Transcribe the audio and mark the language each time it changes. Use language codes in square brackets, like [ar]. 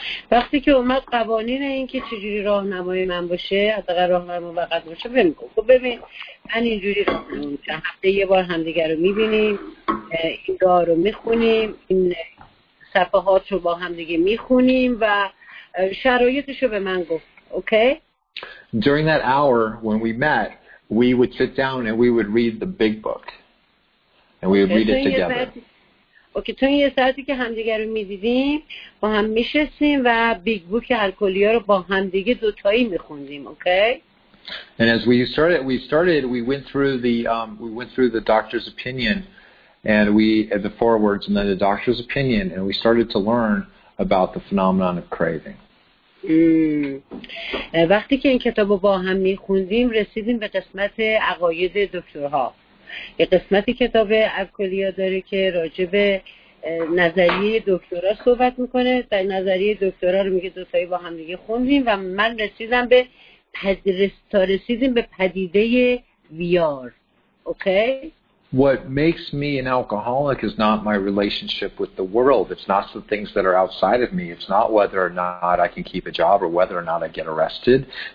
[fa] وقتی که اومد قوانین این که چجوری راه نمایی من باشه حداقل راه نمایی موقت باشه بهم گفت خب ببین من اینجوری راه نمایی چند هفته یه بار همدیگر رو میبینیم این دعا رو میخونیم این صفحات رو با همدیگه میخونیم و شرایطش رو به من گفت اوکی؟ [en] During that hour when we met we would sit down and we would read the big book and we would read it together. [fa] اوکی تو یه ساعتی که همدیگر رو میدیدیم با هم میشستیم و بیگ بوک الکلیا رو با همدیگه دوتایی میخوندیم اوکی؟ [en] And as we went through the doctor's opinion and we at the forewords and then the doctor's opinion and we started to learn about the phenomenon of craving. [fa] وقتی که این کتاب رو با هم میخوندیم رسیدیم به قسمت عقاید دکترها. یه قسمتی کتاب الکلیا داره که راجع به نظریه دکترا صحبت میکنه در نظریه دکترا رو میگه دوتایی با هم دیگه خوندیم و من رسیدم به رسیدیم به پدیده ویار اوکی؟ [en] What makes me an alcoholic is not my relationship with the world. It's not the things that are outside of me. It's not whether or not I can keep a job or whether or not I get arrested.